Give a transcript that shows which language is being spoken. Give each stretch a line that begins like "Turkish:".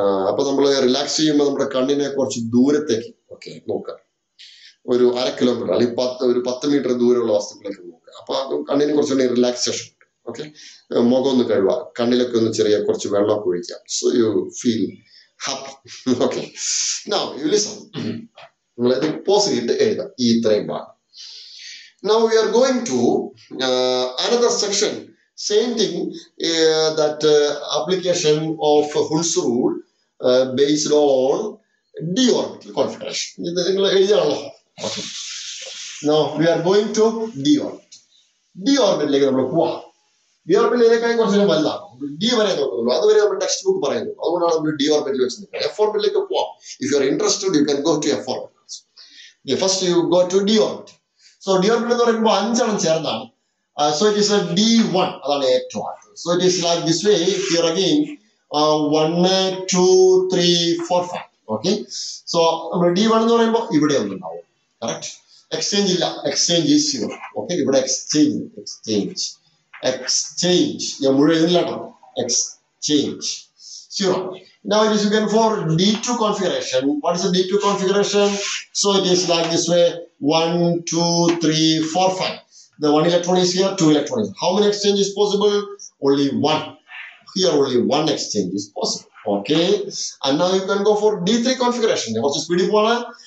Malayalam: അപ്പൊ നമ്മൾ റിലാക്സ് ചെയ്യുമ്പോൾ നമ്മുടെ കണ്ണിനെ കുറച്ച് ദൂരത്തേക്ക് ഓക്കെ നോക്കുക, ഒരു 1/2 കിലോമീറ്റർ അല്ലെങ്കിൽ 10 മീറ്റർ ദൂരമുള്ള വസ്തുക്കളൊക്കെ നോക്കുക. അപ്പൊ കണ്ണിന് കുറച്ചുകൂടി റിലാക്സേഷൻ ഉണ്ട്. ഓക്കെ, മുഖം ഒന്ന് കഴുകുക, കണ്ണിലൊക്കെ ഒന്ന് ചെറിയ കുറച്ച് വെള്ളമൊക്കെ ഒഴിക്കുക.
English: So you feel happy. Okay, now you listen.
Malayalam: നമ്മൾ ഇത് പോസ് ചെയ്തിട്ട് എഴുതാം ഈ ഇത്രയും ഭാഗം.
English: Now we are going to another section, same thing, that application of Hund's rule based on d orbital configuration.
Malayalam: ഇത് നിങ്ങൾ എഴുതിയാണല്ലോ. Okay,
English: No we are going to D orbit.
Malayalam: D ഓർബിറ്റിലേക്ക് നമ്മൾ പോവാം. ഡി ഓർബിറ്റിലേക്കായി കുറച്ച് നേരം വലുതാണ്, ഡി വരെ നോക്കുന്നുള്ളൂ, അതുവരെ നമ്മൾ ടെക്സ്റ്റ് ബുക്ക് പറയുന്നു. അതുകൊണ്ടാണ് നമ്മൾ ഡി ഓർബിറ്റിൽ വെച്ചത്. എഫ് ഓർബിറ്റിലേക്ക് പോവാം.
English: If you are interested you can go to F orbit. First you go to D orbit. So D orbit
Malayalam: എന്ന് പറയുമ്പോൾ 5 എണ്ണം ചേർന്നാണ്.
English: so it is the 1,
Malayalam: അതാണ് ഏറ്റവും ആദ്യം.
English: So it is like this way, if you are again 1, 2, 3, 4, 5.
Malayalam: Okay, so നമ്മൾ D 1 എന്ന് പറയുമ്പോൾ ഇവിടെ ഒന്ന് ഉണ്ടാവും. കറക്റ്റ്, എക്സ്ചേഞ്ച് ഇല്ല, എക്സ്ചേഞ്ച് ഈസ് യു. ഓക്കെ, ഇവിടെ എക്സ്ചേഞ്ച്, എക്സ്ചേഞ്ച്, എക്സ്ചേഞ്ച്, ഞാൻ മുഴുവൻ എഴുതില്ല, exchange zero.
English: Now it is again for D2 configuration. What is the D2 configuration? So it is like this way, 1, 2, 3, 4, 5. The one electron is here, two electron is here. How many exchange is possible? Only one. Here only one exchange is possible. Okay. And now you can go for D3 configuration. What's the speed of one?